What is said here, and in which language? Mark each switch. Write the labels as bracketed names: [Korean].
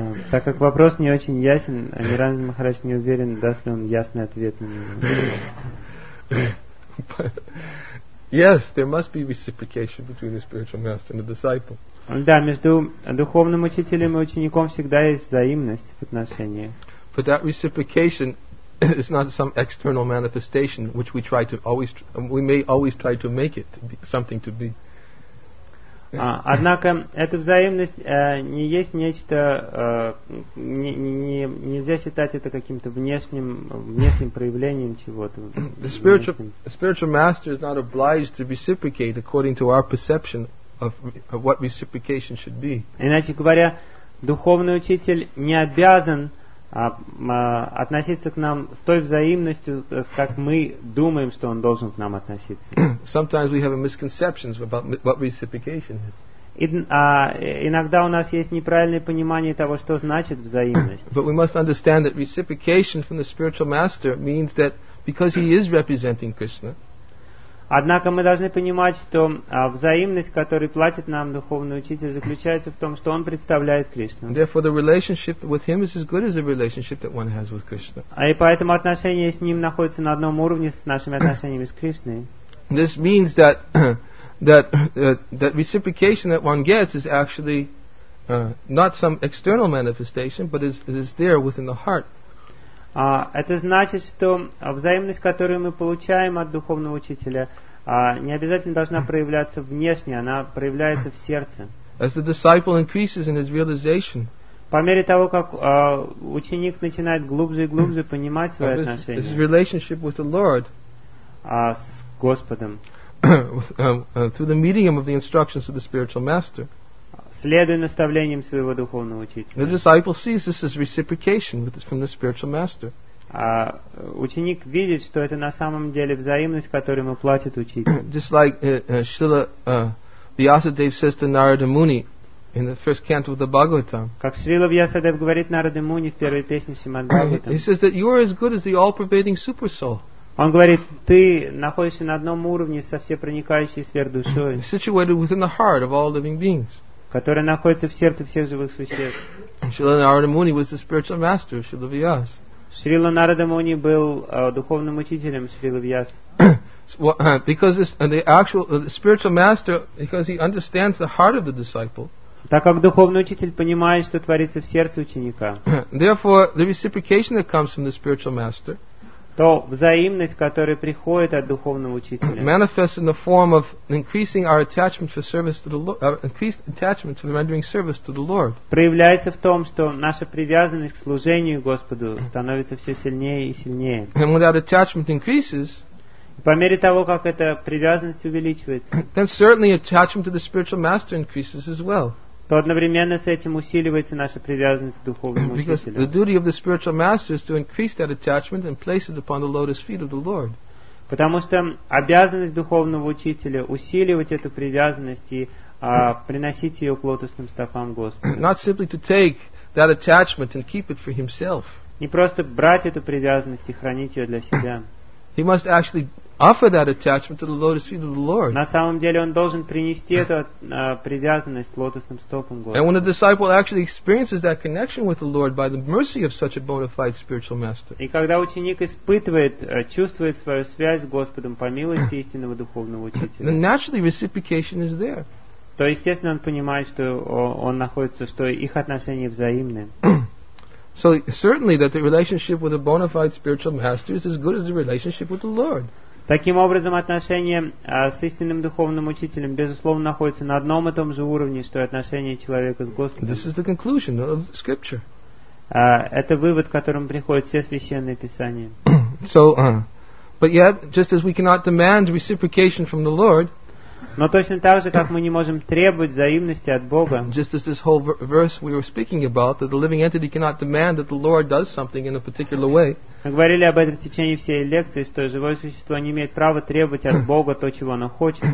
[Russian] Так как вопрос не очень ясен, Амиранда Махарадж не уверен, даст ли он ясный ответ на него. [English] Yes, there must be reciprocation between the spiritual master and the disciple. [Russian] Да, между духовным учителем и учеником всегда есть взаимность в отношениях. [English] But that reciprocation is not some external manifestation which we try to always, we may always try to make it something to be. [Russian] Однако эта взаимность не есть нечто, нельзя считать это каким-то внешним проявлением чего-то. [English] The spiritual master is not obliged to reciprocate according to our perception of what reciprocation should be. [Russian] Иначе говоря, духовный учитель не обязан относиться к нам с той взаимностью, как мы думаем, что он должен к нам относиться. [English] Sometimes we have misconceptions about what reciprocation is. [Russian] Иногда у нас есть неправильное понимание того, что значит взаимность. [English] But we must understand that reciprocation from the spiritual master means that because he is representing Krishna. [Russian] Однако мы должны понимать, что взаимность, которую платит нам духовный учитель, заключается в том, что он представляет Кришну. [English] Therefore, the relationship with him is as good as the relationship that one has with Krishna. [Russian] А и поэтому отношения с ним находятся на одном уровне с нашими отношениями с Кришной. [English] This means that that reciprocation that one gets is actually not some external manifestation, but is there within the heart. [Russian] Это значит, что взаимность, которую мы получаем от духовного учителя, не обязательно должна проявляться внешне, она проявляется в сердце. [English] As the disciple increases in his realization, [Russian] по мере того, как ученик начинает глубже и глубже понимать свои отношения, [English] his relationship with the Lord, [Russian] с Господом, [English] through the meeting of the instructions of the spiritual master, [Russian] следуя наставлениям своего духовного учителя. [English] The disciple sees this as reciprocation from the spiritual master. [Russian] Ученик видит, что это на самом деле взаимность, которую ему платит учитель. [English] Just like Srila Vyasadeva says to Narada Muni in the first canto of the Bhagavatam. [Russian] Как Srila Vyasadeva говорит Нараде Муни в первой песне Шримад Бхагаватам. [English] He says that you are as good as the all-pervading super soul. [Russian] Он говорит, ты находишься на одном уровне со всепроникающей сверхдушой. [English] Situated within the heart of all living beings. [Russian] которая находится в сердце всех живых существ. [English] Шрила Нарада Муни was the spiritual master of Шрила Вьяс. [Russian] Шрила Нарада Муни был духовным учителем Шрилы Вьяс. [English] Because the actual the spiritual master, because he understands the heart of the disciple. [Russian] Так как духовный учитель понимает, что творится в сердце ученика. [English] Therefore, the reciprocation that comes from the spiritual master. [Russian] То взаимность, которая приходит от духовного учителя. [English] Manifests in the form of increasing our attachment for service to the Lord, increased attachment for rendering service to the Lord. [Russian] Проявляется в том, что наша привязанность к служению Господу становится все сильнее и сильнее. [English] And when that attachment increases. [Russian] По мере того, как эта привязанность увеличивается, [English] then certainly attachment to the spiritual master increases as well. [Russian] То одновременно с этим усиливается наша привязанность к духовному учителю. [English] Because the duty of the spiritual master is to increase that attachment and place it upon the lotus feet of the Lord. [Russian] Потому что обязанность духовного учителя усиливать эту привязанность и приносить ее к лотосным стопам Господа. [English] Not simply to take that attachment and keep it for himself. [Russian] Не просто брать эту привязанность и хранить ее для себя. [English] He must actually offer that attachment to the lotus feet of the Lord. [Russian] На самом деле он должен принести эту привязанность лотосным стопам Господа. [English] And when a disciple actually experiences that connection with the Lord by the mercy of such a bona fide spiritual master. [Russian] И когда ученик испытывает, чувствует свою связь с Господом по милости истинного духовного учителя. [English] Then naturally reciprocation is there. [Russian] То естественно он понимает, что он находится, что их отношения взаимны. [English] So certainly that the relationship with a bona fide spiritual master is as good as the relationship with the Lord. [Russian] Таким образом, отношения с истинным духовным учителем безусловно находятся на одном и том же уровне, что и отношения человека с Господом. [English] This is the conclusion of Scripture. [Russian] Это вывод, к которому приходят все священные писания. [English] So, but yet, just as we cannot demand reciprocation from the Lord. [Russian] Но точно так же, как мы не можем требовать взаимности от Бога. [English] Just as this whole verse we were speaking about, that the living entity cannot demand that the Lord does something in a particular way. [Russian] Мы говорили об этом в течение всей лекции, что живое существо не имеет права требовать от Бога то, чего оно хочет.